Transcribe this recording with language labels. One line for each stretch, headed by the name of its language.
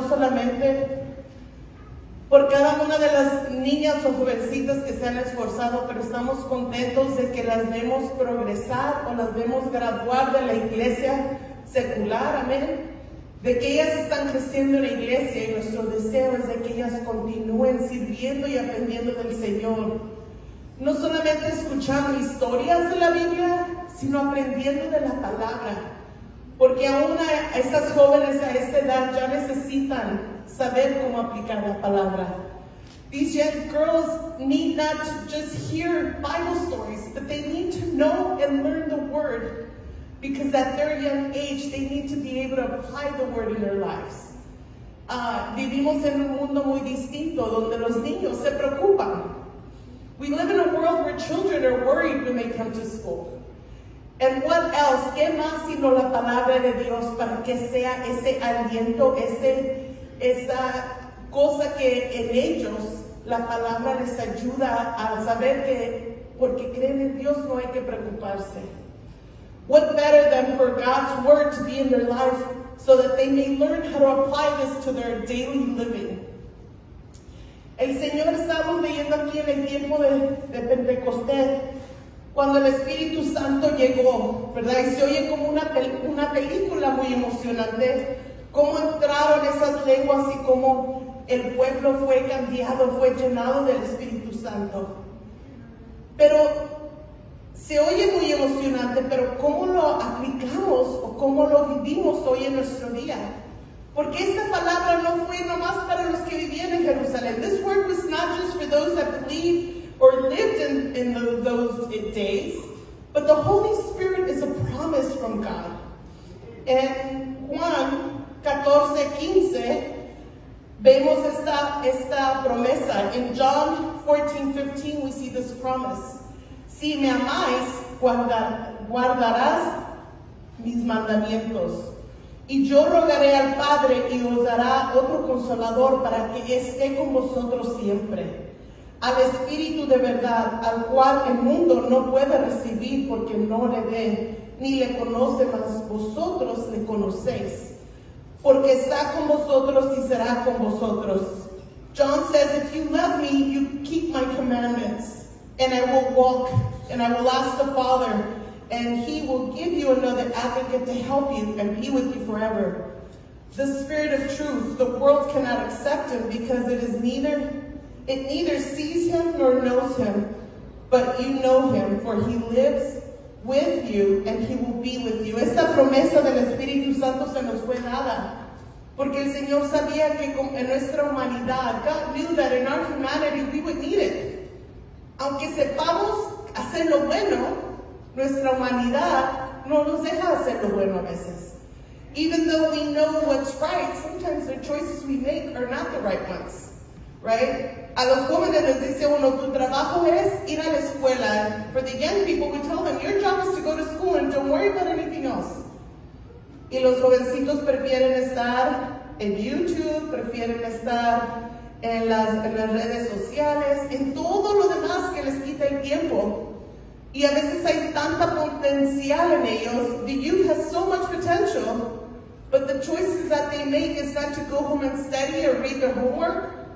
Spanish: No solamente por cada una de las niñas o jovencitas que se han esforzado, pero estamos contentos de que las vemos progresar o las vemos graduar de la iglesia secular, amén, de que ellas están creciendo en la iglesia, y nuestro deseo es de que ellas continúen sirviendo y aprendiendo del Señor, no solamente escuchando historias de la Biblia, sino aprendiendo de la palabra, porque aún a estas jóvenes a esta edad ya necesitan saber cómo aplicar la palabra.
English: These young girls need not to just hear Bible stories, but they need to know and learn the word, because at their young age, they need to be able to apply the word in their lives.
Spanish: Vivimos en un mundo muy distinto donde los niños se preocupan.
English: We live in a world where children are worried when they come to school. And what else?
Spanish: ¿Qué más sino la palabra de Dios para que sea ese aliento, esa cosa que en ellos la palabra les ayuda a saber que porque creen en Dios no hay que preocuparse?
English: What better than for God's word to be in their life so that they may learn how to apply this to their daily living?
Spanish: El Señor, estamos leyendo aquí en el tiempo de Pentecostés, cuando el Espíritu Santo llegó, ¿verdad? Y se oye como una película muy emocionante, cómo entraron esas lenguas y cómo el pueblo fue cambiado, fue llenado del Espíritu Santo. Pero se oye muy emocionante, pero ¿cómo lo aplicamos o cómo lo vivimos hoy en nuestro día? Porque esta palabra no fue nomás para los que vivían en Jerusalén.
English: This word was not just for those that believed or lived in those days, but the Holy Spirit is a promise from God.
Spanish: And Juan 14:15, vemos esta promesa.
English: In John 14:15, we see this promise.
Spanish: Si me amáis, guardarás mis mandamientos. Y yo rogaré al Padre y os dará otro consolador para que esté con vosotros siempre. Al Espíritu de verdad, al cual el mundo no puede recibir porque no le ve ni le conoce, mas vosotros le conocéis, porque está con vosotros y será con vosotros.
English: John says, if you love me, you keep my commandments, and I will walk, and I will ask the Father, and he will give you another advocate to help you and be with you forever. The Spirit of truth, the world cannot accept him because it neither sees him nor knows him, but you know him, for he lives with you and he will be with you.
Spanish: Esta promesa del Espíritu Santo se nos fue dada, porque el Señor sabía que en nuestra humanidad,
English: God knew that in our humanity we would need it.
Spanish: Aunque sepamos hacer lo bueno, nuestra humanidad no nos deja hacer lo bueno a veces.
English: Even though we know what's right, sometimes the choices we make are not the right ones, right?
Spanish: A los jóvenes les dice uno, tu trabajo es ir a la escuela.
English: For the young people, we tell them, your job is to go to school and don't worry about anything else.
Spanish: Y los jovencitos prefieren estar en YouTube, prefieren estar en las redes sociales, en todo lo demás que les quita el tiempo. Y a veces hay tanta potencial en ellos.
English: The youth has so much potential, but the choices that they make is not to go home and study or read their homework.